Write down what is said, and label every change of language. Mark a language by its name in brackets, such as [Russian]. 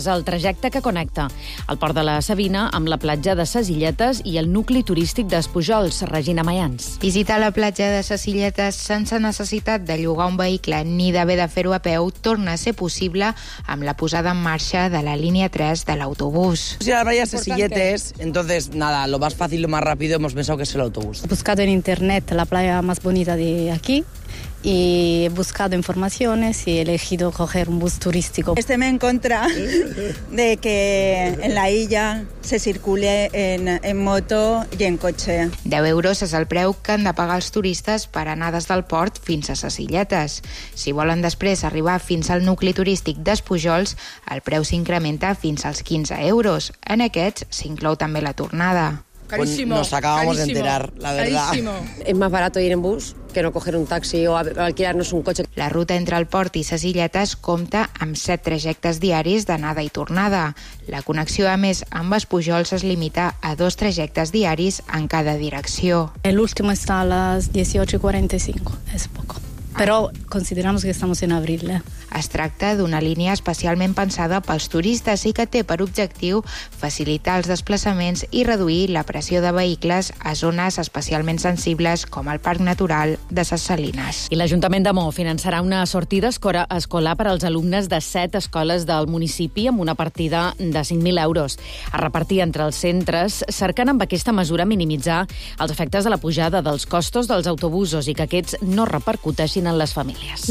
[Catalan] És el trajecte que connecta el port de la Savina amb la platja de Ses Illetes i el nucli turístic d'Espujols, Regina Mayans. Visitar la platja de Ses Illetes sense necessitat de llogar un vehicle ni d'haver de fer-ho a peu torna a ser possible amb la posada en marxa de la línia 3 de l'autobús. Si ara hi ha [Spanish] Ses Illetes, entonces, nada, lo más fácil, lo más rápido, hemos pensado que es el autobús. He buscado en internet la playa más bonita de aquí y he buscado informaciones y he elegido coger un bus turístico. Este me encuentra de que en la illa se circule en moto y en coche. [Catalan] 10 euros és el preu que han de pagar els turistes per anar des del port fins a Ses Illetes. Si volen després arribar fins al nucli turístic d'Espujols, el preu s'incrementa fins als 15 euros. En aquests s'inclou també la tornada. [Spanish] Carísimo. Nos acabamos de enterar, la verdad. Carísimo. Es más barato ir en bus que no coger un taxi o alquilarnos un coche. [Catalan] La ruta entre el port i Ses Illetes compta amb 7 trajectes diaris d'anada i tornada. La connexió, a més, amb Espujols es limita a 2 trajectes diaris en cada direcció. [Spanish] El último está a las 18:45, es poco. Però consideramos que estamos en abril. [Catalan] Es tracta d'una línia especialment pensada pels turistes i que té per objectiu facilitar els desplaçaments i reduir la pressió de vehicles a zones especialment sensibles com el Parc Natural de Ses Salines. I l'Ajuntament de Mont finançarà una sortida escolar per als alumnes de 7 escoles del municipi amb una partida de 5.000 euros a repartir entre els centres, cercant amb aquesta mesura minimitzar els efectes de la pujada dels costos dels autobusos i que aquests no repercuteixin en les famílies.